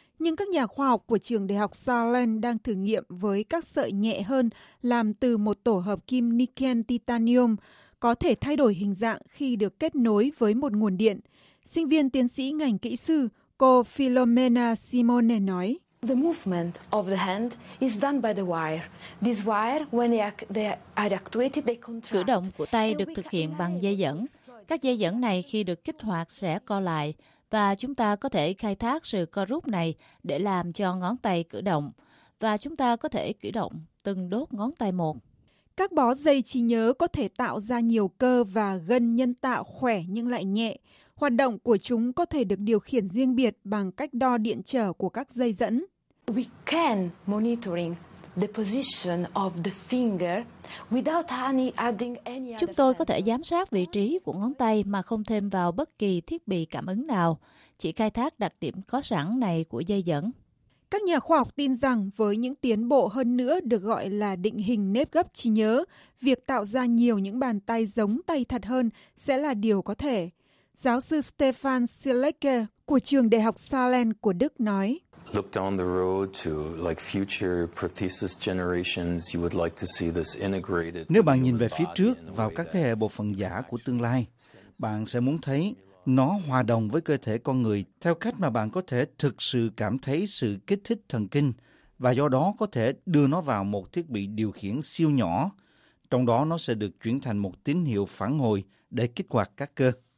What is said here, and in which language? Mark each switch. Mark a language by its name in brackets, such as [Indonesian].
[Vietnamese] Nhưng các nhà khoa học của trường đại học Saarland đang thử nghiệm với các sợi nhẹ hơn làm từ một tổ hợp kim nickel titanium, có thể thay đổi hình dạng khi được kết nối với một nguồn điện. Sinh viên tiến sĩ ngành kỹ sư, cô Filomena Simone nói. [English] The movement of the hand is done by the wire. This wire, when they are actuated, they contract. [Vietnamese] Cử động của tay được thực hiện bằng dây dẫn. Các dây dẫn này khi được kích hoạt sẽ co lại. Và chúng ta có thể khai thác sự co rút này để làm cho ngón tay cử động. Và chúng ta có thể cử động từng đốt ngón tay một. Các bó dây trí nhớ có thể tạo ra nhiều cơ và gân nhân tạo khỏe nhưng lại nhẹ. hoạt động của chúng có thể được điều khiển riêng biệt bằng cách đo điện trở của các dây dẫn. [English] We can monitoring the position of the finger without any adding any. [Vietnamese] Chúng tôi có thể giám sát vị trí của ngón tay mà không thêm vào bất kỳ thiết bị cảm ứng nào, chỉ khai thác đặc điểm có sẵn này của dây dẫn. Các nhà khoa học tin rằng với những tiến bộ hơn nữa được gọi là định hình nếp gấp trí nhớ, việc tạo ra nhiều những bàn tay giống tay thật hơn sẽ là điều có thể. Giáo sư Stefan Silecke của trường Đại học Saarland của Đức nói: [English] Look down the road to like future prosthesis generations, you would like to see this integrated. [Vietnamese] Nếu bạn nhìn về phía trước vào các thế hệ bộ phận giả của tương lai, bạn sẽ muốn thấy nó hòa đồng với cơ thể con người theo cách mà bạn có thể thực sự cảm thấy sự kích thích thần kinh và do đó có thể đưa nó vào một thiết bị điều khiển siêu nhỏ, trong đó nó sẽ được chuyển thành một tín hiệu phản hồi để kích hoạt các cơ.